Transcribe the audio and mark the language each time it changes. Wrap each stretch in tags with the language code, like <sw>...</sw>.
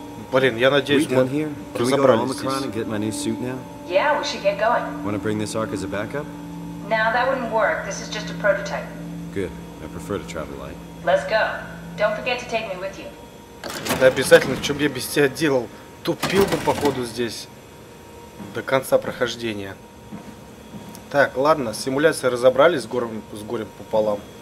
<ru>Блин, я надеюсь, мы разобрались здесь.</ru> <en>Yeah, we should get going. Want to bring this arc as a backup? No, that wouldn't work. This is just a prototype. Good. I prefer to travel light. Let's go. Don't forget to take me with you.</en> <ru>Да обязательно, что бы я без тебя делал? Тупил бы, походу, здесь до конца прохождения. Так, ладно, симуляция разобрались с горем пополам.</ru>